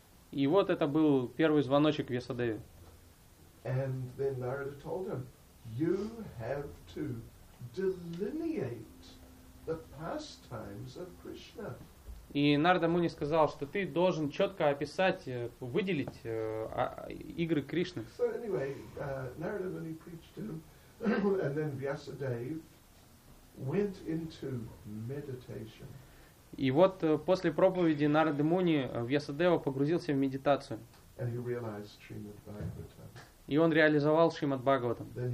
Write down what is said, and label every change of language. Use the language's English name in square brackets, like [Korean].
[Russian] И вот это был первый звоночек Вьясадеве. [English] And then Narada told him, you have to delineate the pastimes of Krishna. [Russian] И Нарада Муни сказал, что ты должен четко описать, выделить игры Кришны. [English] So anyway, Narada Muni preached to him, and then Vyasadeva went into meditation. [Russian] И вот после проповеди Нарада Муни Вьясадева погрузился в медитацию. [English] And he realized Srimad Bhagavatam. [Russian] И он реализовал Шримад Бхагаватам.